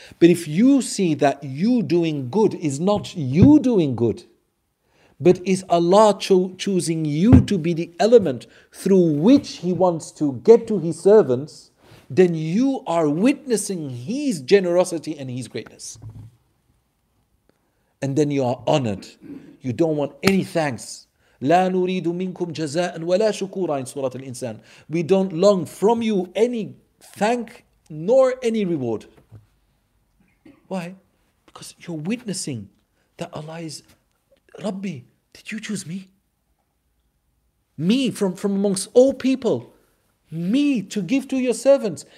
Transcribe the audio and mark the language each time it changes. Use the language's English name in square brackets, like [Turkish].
[English] But if you see that you doing good is not you doing good, but is Allah choosing you to be the element through which He wants to get to His servants, then you are witnessing His generosity and His greatness. And then you are honored. You don't want any thanks. [Arabic] لا نريد منكم جزاء ولا شكورا [English] in Surah Al-Insan. We don't long from you any thank nor any reward. Why? Because you're witnessing that Allah is Rabbi. Did you choose me? Me from amongst all people. Me to give to your servants.